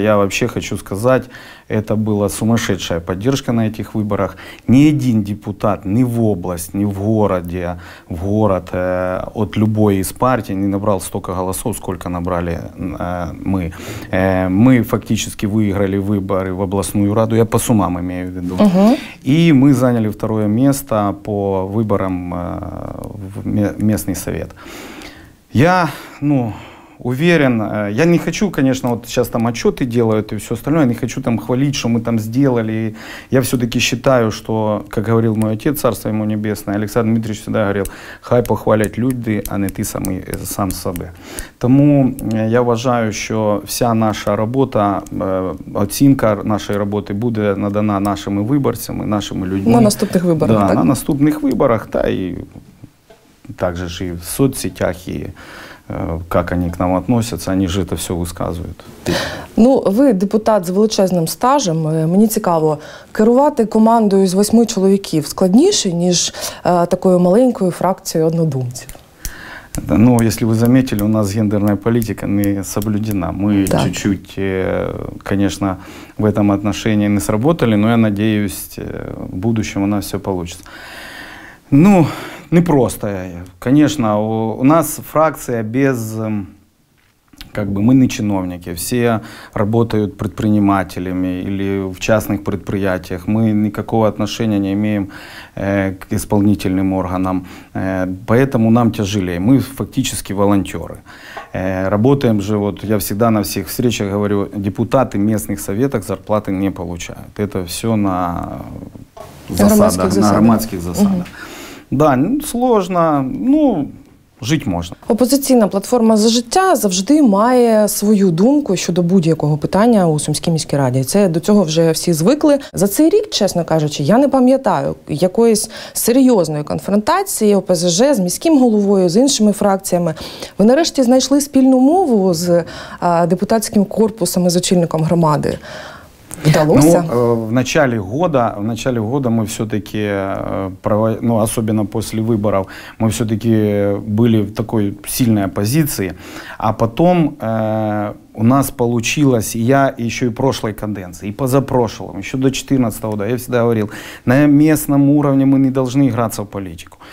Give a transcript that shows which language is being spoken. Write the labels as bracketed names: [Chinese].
[Ukrainian] Я взагалі хочу сказати, це була сумасшедшая підтримка на цих виборах. Ні один депутат ні в область, ні в городі, в город от любої із партій не набрав стільки голосів, скільки набрали ми. Ми фактично виграли вибори в обласну раду, я по сумам маю в виду. І ми зайняли [Russian] второе место по выборам в местный совет. Я, ну, уверен, я не хочу, конечно, вот сейчас там отчеты делают и все остальное, я не хочу там хвалить, что мы там сделали. Я все-таки считаю, что, как говорил мой отец, царство ему небесное, Александр Дмитриевич всегда говорил, [Ukrainian] хай похвалять люди, а не ты сам собой. Тому я вважаю, що вся наша робота, оцінка нашої роботи буде надана нашими виборцями, нашими людьми. На наступних виборах, да, так? На наступних виборах, та і також ж і в соцсетях, і як вони к нам відносяться, вони ж це все висказують. Ну, ви депутат з величезним стажем. Мені цікаво, керувати командою з 8 чоловіків складніше, ніж такою маленькою фракцією однодумців? [Russian] Ну, если вы заметили, у нас гендерная политика не соблюдена. Мы да. Чуть-чуть, конечно, в этом отношении не сработали, но я надеюсь, в будущем у нас все получится. Ну, непросто. Конечно, у нас фракция без... Как бы мы не чиновники, все работают предпринимателями или в частных предприятиях. Мы никакого отношения не имеем к исполнительным органам, поэтому нам тяжелее. Мы фактически волонтеры. Работаем же, вот я всегда на всех встречах говорю, депутаты местных советов зарплаты не получают. Это все [Ukrainian] на засадах, на громадских засадах. [Russian] Да, сложно, ну... [Ukrainian] Жити можна. Опозиційна платформа «За життя» завжди має свою думку щодо будь-якого питання у Сумській міській раді. Це до цього вже всі звикли. За цей рік, чесно кажучи, я не пам'ятаю якоїсь серйозної конфронтації ОПЗЖ з міським головою, з іншими фракціями. Ви нарешті знайшли спільну мову з депутатським корпусом і з очільником громади. [Russian] Ну, в начале года мы все-таки, ну, особенно после выборов, мы все-таки были в такой сильной оппозиции, а потом у нас получилось, я еще и прошлой каденции, и позапрошлым, еще до 2014 года, я всегда говорил, на местном уровне мы не должны играться в политику.